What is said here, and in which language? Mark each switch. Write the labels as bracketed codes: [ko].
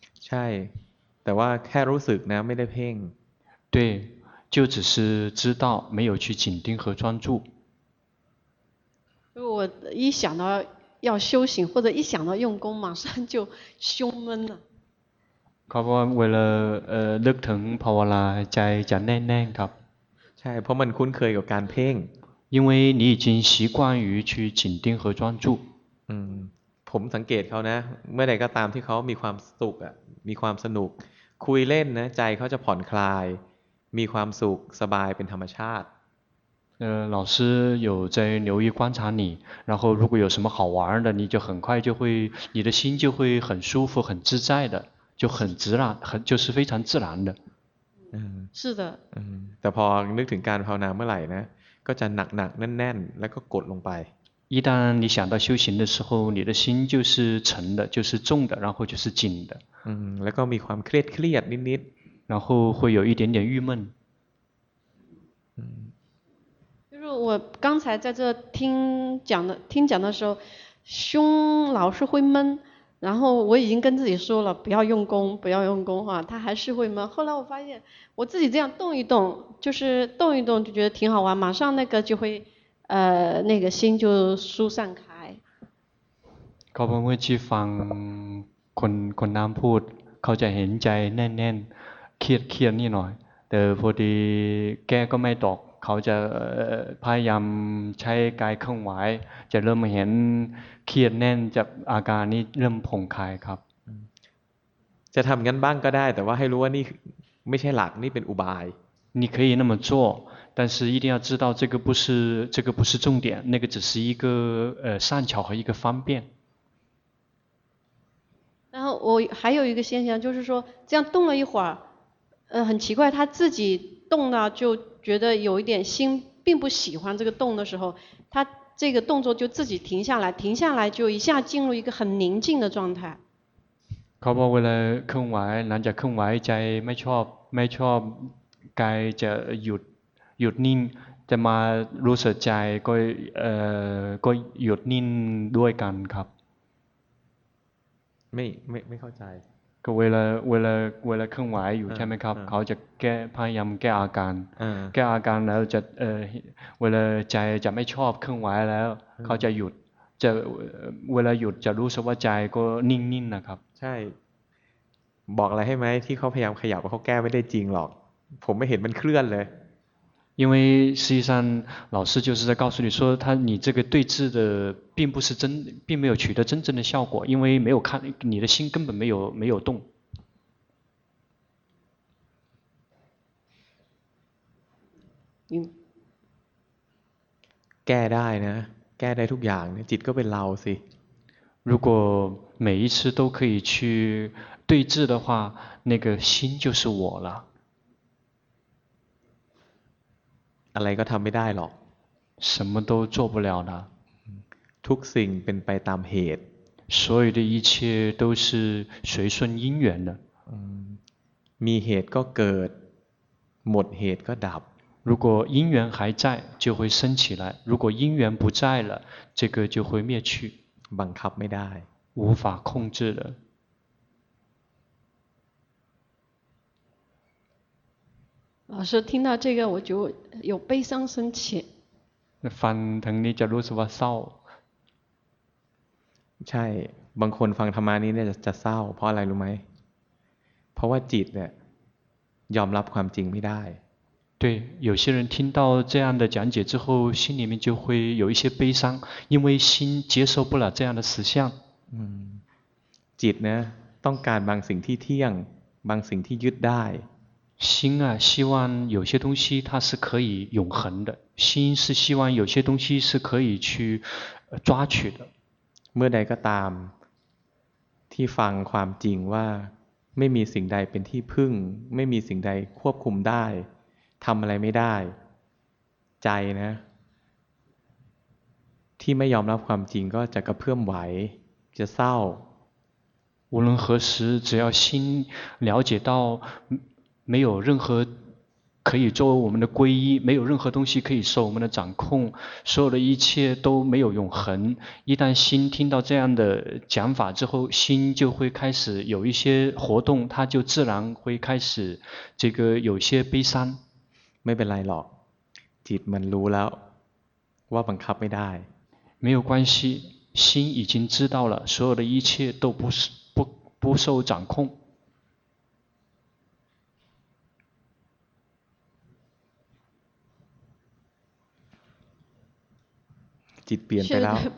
[th] ใช่แต่ว่าแค่รู้สึกนะไม่ได้เพ่ง [zh] 对就只是知道没有去紧盯和专注我一想到要修行或者一想到用功马上就胸闷了 [th] ครับว่าเวลานึกถึงภาวนาใจจะแน่นๆครับ ใช่เพราะมันคุ้นเคยกับการเพ่ง [zh] 因为你已经习惯于去紧盯和专注 [th] ผมสังเกตเขานะเมื่อใดก็ตามที่เขามีความสุขอ่ะมีความสนุกคุยเล่นนะใจเขาจะผ่อนคลายมีความสุขสบายเป็นธรรมชาติ [zh] 老师有在留意观察你然后如果有什么好玩的你就很快就会你的心就会很舒服很自在的就很自然很就是非常自然的是的 [th] แต่พอนึกถึงการภาวนาเมื่อไหร่นะก็จะหนักๆแน่นๆแล้วก็กดลงไป [zh] 一旦你想到修行的时候你的心就是沉的就是重的然后就是紧的 [th] แล้วก็มีความเครียดเครียดนิด [zh] ๆ然后会有一点点郁闷就是我刚才在这听讲的时候胸老是会闷然后我已经跟自己说了不要用功不要用功哈他还是会闷后来我发现我自己这样动一动就是动一动就觉得挺好玩马上那个就会那个心就疏散开 [th] เขาเมื่อที่ฟังคนน้ำพูดเขาจะเห็นใจแน่นๆเครียดเครียดนิดหน่อยแต่พอดีแกก็ไม่ตกเขาจะพยายามใช้กายเคลื่อนไหวจะเริ่มเห็นเครียดแน่นจากอาการนี้เริ่มผ่องคลายครับ จะทำงั้นบ้างก็ได้แต่ว่าให้รู้ว่านี่ไม่ใช่หลักนี่เป็นอุบาย [zh] 你可以那么做但是一定要知道这个不是重点那个只是一个善巧和一个方便然后我还有一个现象就是说这样动了一会儿很奇怪他自己动了就觉得有一点心并不喜欢这个动的时候他这个动作就自己停下来就一下进入一个很宁静的状态 [th] ครับว่าเคลื่อนไหวหลังจากเคลื่อนไหวใจไม่ชอบกายจะหยุดนิ่งจะมารู้สึกใจก็หยุดนิ่งด้วยกันครับ ไม่เข้าใจ ก็เวลาเคลื่อนไหวอยู่ใช่มั้ยครับเขาจะแก้พยายามแก้อาการแก้อาการแล้วจะเวลาใจจะไม่ชอบเคลื่อนไหวแล้วเขาจะหยุดจะเวลาหยุดจะรู้สึกว่าใจก็นิ่งๆ นะครับ ใช่บอกอะไรให้ไหมที่เขาพยายามขยับว่าเขาแก้ไม่ได้จริงหรอกผมไม่เห็นมันเคลื่อนเลย [zh] 因为实际上老师就是在告诉你说他你这个对峙的并不是真并没有取得真正的效果因为没有看你的心根本没有动 [th] แก้ได้นะแก้ได้ทุกอย่างจิตก็เป็นเราสิ [zh] 如果每一次都可以去对治的话那个心就是我了 [th] อะไรก็ทำไม่ได้หรอก [zh] 什么都做不了的 [th] ทุกสิ่งเป็นไปตามเหตุ [zh] 所有的一切都是随顺因缘的 [th] มีเหตุก็เกิดหมดเหตุก็ดับ [zh] 如果因缘还在就会升起来如果因缘不在了这个就会灭去 [th] บังคับไม่ได้ [zh] 无法控制的老师听到这个我就有悲伤升起 [th] ฟังทางนี้จะรู้สึกว่าเศร้า ใช่บางคนฟังธรรมานี้เนี่ยจะเศร้าเพราะอะไรรู้ไหมเพราะว่าจิตเนี่ยยอมรับความจริงไม่ได้ [zh] 对有些人听到这样的讲解之后心里面就会有一些悲伤因为心接受不了这样的实相 [th] จิตเนี่ยต้องการบางสิ่งที่เที่ยงบางสิ่งที่ยึดได้ [zh] 心啊希望有些东西它是可以永恒的心是希望有些东西是可以去抓取的 [th] เมื่อใดก็ตามที่ฟังความจริงว่าไม่มีสิ่งใดเป็นที่พึ่งไม่มีสิ่งใดควบคุมได้ทำอะไรไม่ได้ใจนะที่ไม่ยอมรับความจริงก็จะกระเพื่อมไหวจะเศร้า [zh] 无论何时只要心了解到没有任何可以作为我们的皈依没有任何东西可以受我们的掌控所有的一切都没有永恒一旦心听到这样的讲法之后心就会开始有一些活动它就自然会开始这个有些悲伤 [th] ไม่เป็นไรหรอกจิตมันรู้แล้วว่าบังคับไม่ได้ [zh] 没有关系心已经知道了所有的一切都不受掌控 [th] จิตเปลี่ยนไปแล้ว